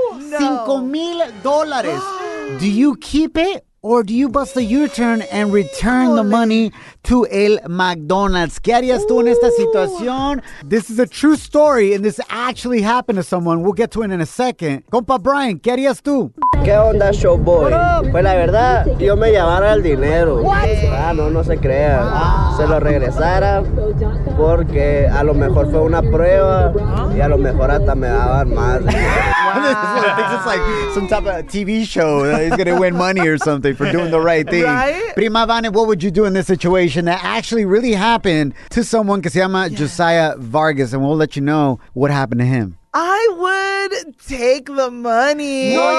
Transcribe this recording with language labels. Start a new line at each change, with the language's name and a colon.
English: $5,000. Do you keep it? Or do you bust a U-turn and return the money to El McDonald's?
Spanish: ¿Qué harías tú en esta situación?
English: This is a true story, and this actually happened to someone. We'll get to it in a second. Compa Brian,
Spanish: ¿qué harías tú? ¿Qué onda, Showboy? Pues la verdad, yo me llevara el dinero. ¿Qué? No se crea. Ah. Se lo regresara porque a lo mejor fue una prueba y a lo mejor hasta me daban más.
English: It's like some type of TV show that he's going to win money or something for doing the right thing. Right? Prima Vane, what would you do in this situation that actually really happened to someone
Spanish: que se llama
English: Josiah Vargas? And we'll let you know what happened to him. I would take the money.